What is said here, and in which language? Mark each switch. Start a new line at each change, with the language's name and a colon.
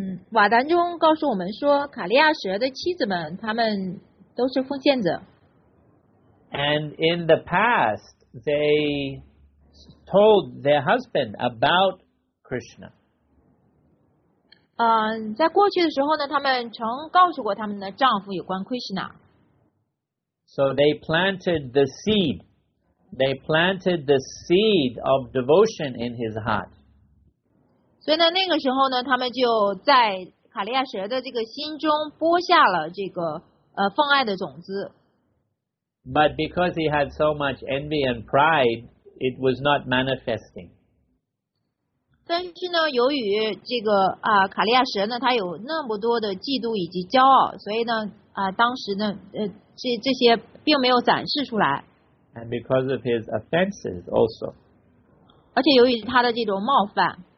Chinese: 瓦丹中告诉我们说，卡利亚蛇的妻子们，他们都是奉献者。
English: And in the past, they told their husband about Krishna.
Chinese: 在过去的时候呢，他们曾告诉过他们的丈夫有关 Krishna。
English: So they planted the seed. They planted the seed of devotion in his heart.
Chinese: 所以呢，那个时候呢，他们就在卡利亚蛇的这个心中播下了这个奉爱的种子。
English: But because he had so much envy and pride, it was not manifesting.
Chinese: 但是呢，由于这个卡利亚蛇呢，他有那么多的嫉妒以及骄傲，所以呢，当时呢，这些并没有展示出来。
English: And because of his offenses also.
Chinese: 而且由于他的这种冒犯。